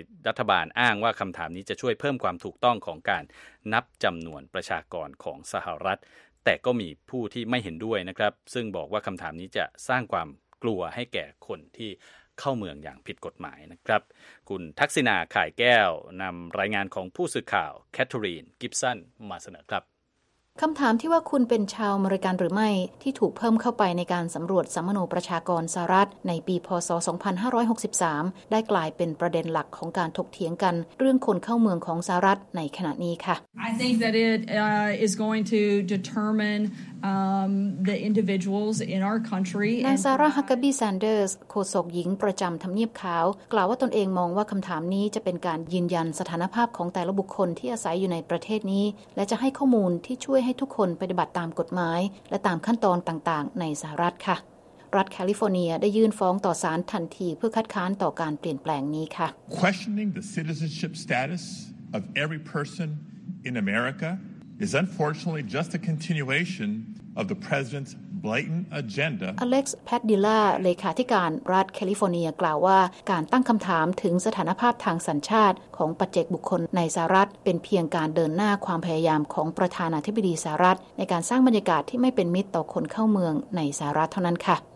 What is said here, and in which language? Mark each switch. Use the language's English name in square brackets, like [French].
[Thai] รัฐบาลอ้างว่าคำถามนี้จะช่วยเพิ่มความถูกต้องของการนับจำนวนประชากรของสหรัฐแต่ก็มีผู้ที่ไม่เห็นด้วยนะครับซึ่งบอกว่าคำถามนี้จะสร้างความกลัวให้แก่คนที่เข้าเมืองอย่างผิดกฎหมายนะครับคุณทักษิณาข่ายแก้วนำรายงานของผู้สื่อข่าวแคทเธอรีนกิบสันมาเสนอครับ คำถามที่ว่าคุณเป็นชาวอเมริกันหรือไม่ที่ถูกเพิ่มเข้าไปในการสำรวจสัมมโนประชากรสหรัฐในปีพ.ศ. 2563ได้กลายเป็นประเด็นหลักของการถกเถียงกันเรื่องคนเข้าเมืองของสหรัฐในขณะนี้ค่ะ [English] I think that it is going to determineThe individuals in our country. [Thai] นายซาร่าฮักกาบีแซนเดอร์สโฆษกหญิงประจำทำเนียบขาวกล่าวว่าตนเองมองว่าคำถามนี้จะเป็นการยืนยันสถานภาพของแต่ละบุคคลที่อาศัยอยู่ในประเทศนี้และจะให้ข้อมูลที่ช่วยให้ทุกคนปฏิบัติตามกฎหมายและตามขั้นตอนต่างๆในสหรัฐค่ะรัฐแคลิฟอร์เนียได้ยื่นฟ้องต่อศาลทันทีเพื่อคัดค้านต่อการเปลี่ยนแปลงนี้ค่ะ [English] Questioning the citizenship status of every person in AmericaIs unfortunately just a continuation of the president's blatant agenda. [Thai] Alex Padilla, เลขาธิการรัฐแคลิฟอร์เนียกล่าวว่าการตั้งคำถามถึงสถานภาพทางสัญชาติของปัจเจกบุคคลในสหรัฐเป็นเพียงการเดินหน้าความพยายามของประธานาธิบดีสหรัฐในการสร้างบรรยากาศที่ไม่เป็นมิตรต่อคนเข้าเมืองในสหรัฐเท่านั้นค่ะ